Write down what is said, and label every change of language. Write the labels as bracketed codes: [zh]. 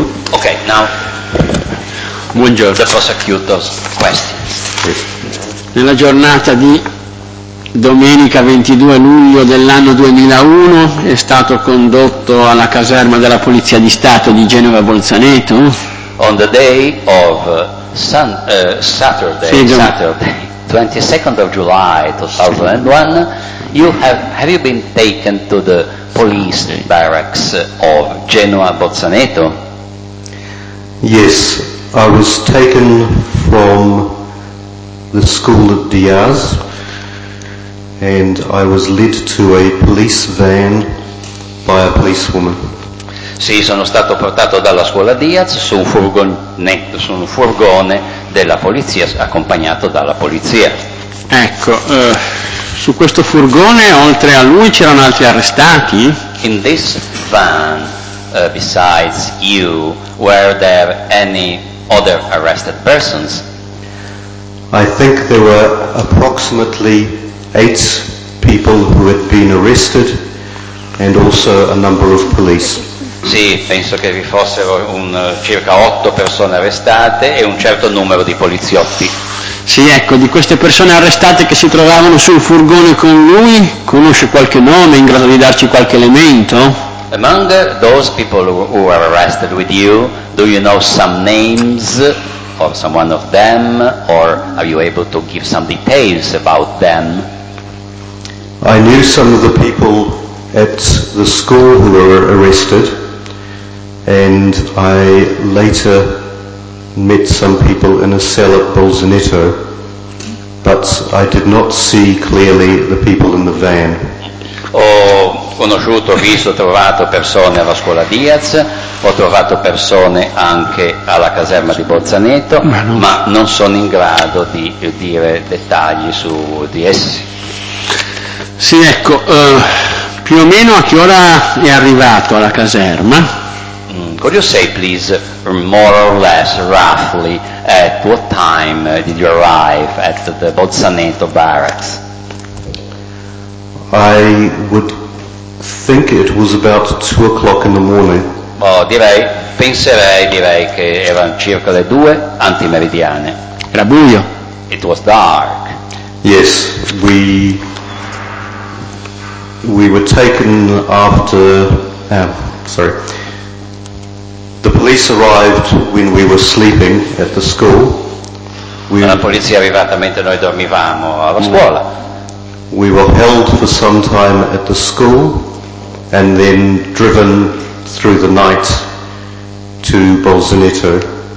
[en] Ok, now. [it] Buongiorno. [en] The prosecutor's question. [it] Nella giornata di domenica 22 luglio dell'anno 2001 è stato condotto alla caserma della Polizia di Stato di Genova Bolzaneto. [en] On the day of Saturday, 22nd of July 2001, have you been taken to the police barracks of Genova Bolzaneto? Yes, I was taken from the school at Diaz. And I was led to a police van by a policewoman. [it] Sì, sono stato portato dalla scuola Diaz su un furgone della polizia, accompagnato dalla polizia. Ecco, su questo furgone, oltre a lui, c'erano altri arrestati? [en] In this van, besides you, were there any other arrested persons? I think there were approximately 8 people who had been arrested and also a number of police. [it] Sì, penso che vi fossero circa 8 persone arrestate e un certo numero di poliziotti. Sì, ecco, di queste persone arrestate che si trovavano sul furgone con lui, conosce qualche nome in grado di darci qualche elemento? [en] Among those people who were arrested with you, do you know some names or someone of them, or are you able to give some details about them? I knew some of the people at the school who were arrested, and I later met some people in a cell at Bolzaneto, but I did not see clearly the people in the van. [it] Ho conosciuto, visto, trovato persone alla scuola Diaz, ho trovato persone anche alla caserma di Bolzaneto, ma non sono in grado di dire dettagli su di essi. Sì, ecco, più o meno a che ora è arrivato alla caserma? [en] Could you say, please, more or less, roughly, at what time did you arrive at the Bolzaneto barracks? I would think it was about 2 o'clock in the morning. [it] Oh, direi che erano circa le 2 antimeridiane. Era buio. [en] It was dark. Yes, we were taken after The police arrived when we were sleeping at the school. [it] La polizia è arrivata mentre noi dormivamo alla scuola. [en] We were held for some time at the school and then driven through the night to Bolzaneto.